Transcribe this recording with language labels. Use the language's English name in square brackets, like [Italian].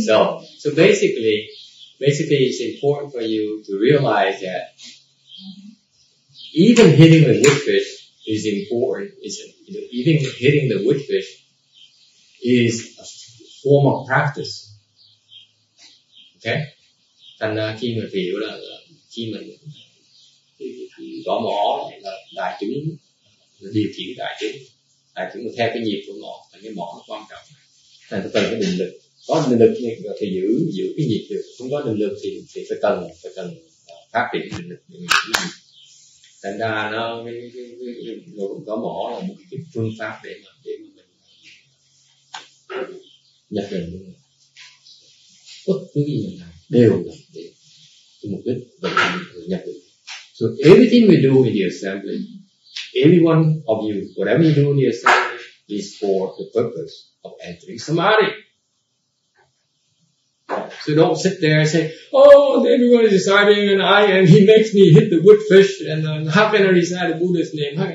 [English] So basically, it's important for you to realize that even hitting the wood fish is important. Is you know, even hitting the wood fish is a form of practice. Okay. [Vietnamese] Thành ra khi mình hiểu là khi mình gõ mỏ là đại chúng điều khiển đại chúng theo cái nhịp của mỏ, thành cái mỏ nó quan trọng. Thành phải cần cái định lực, có định lực thì giữ cái nhịp được, không có định lực thì phải cần phát triển định lực để giữ nhịp. Thành ra nó có mỏ là một cái phương pháp để mà mình nhập định bất cứ gì mình làm đều là để mục đích để nhập định. [English] So everything we do in the assembly, every one of you, whatever you do in the assembly is for the purpose of entering samadhi. So don't sit there and say, oh, everyone is deciding and I and he makes me hit the wood fish and then how can I recite a Buddha's name?